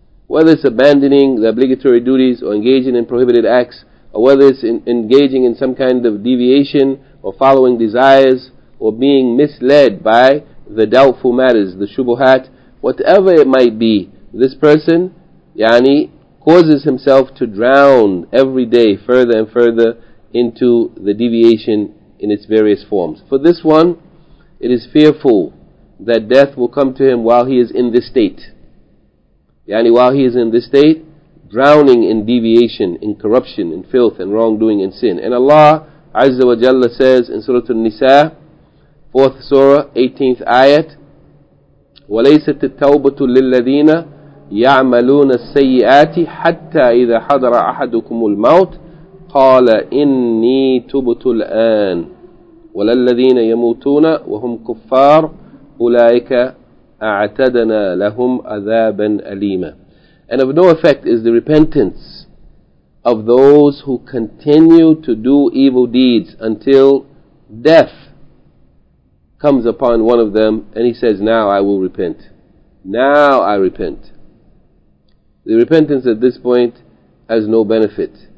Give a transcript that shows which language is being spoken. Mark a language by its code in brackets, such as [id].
[en] Whether it's abandoning the obligatory duties or engaging in prohibited acts, or whether it's engaging in some kind of deviation or following desires or being misled by the doubtful matters, the shubuhat, whatever it might be, this person yani causes himself to drown every day further and further into the deviation in its various forms. For this one, it is fearful that death will come to him while he is in this state. Yani while he is in this state, drowning in deviation, in corruption, in filth, and wrongdoing and sin. And Allah Azza wa Jalla says in Surah An-Nisa, 4th Surah, 18th Ayat, [ar] وَلَيْسَتِ التَّوْبَةُ لِلَّذِينَ يَعْمَلُونَ السَّيِّئَاتِ حَتَّى إِذَا حَضَرَ أَحَدُكُمُ الْمَوْتِ قَالَ إِنِّي تُبْتُ الْآنَ وَلَلَّذِينَ يَمُوتُونَ وَهُمْ كُفَّارُ أُولَٰئِكَ أَعْتَدَنَا لَهُمْ عَذَابًا أَلِيمًا. [en] And of no effect is the repentance of those who continue to do evil deeds until death comes upon one of them and he says, now I will repent. Now I repent. The repentance at this point has no benefit.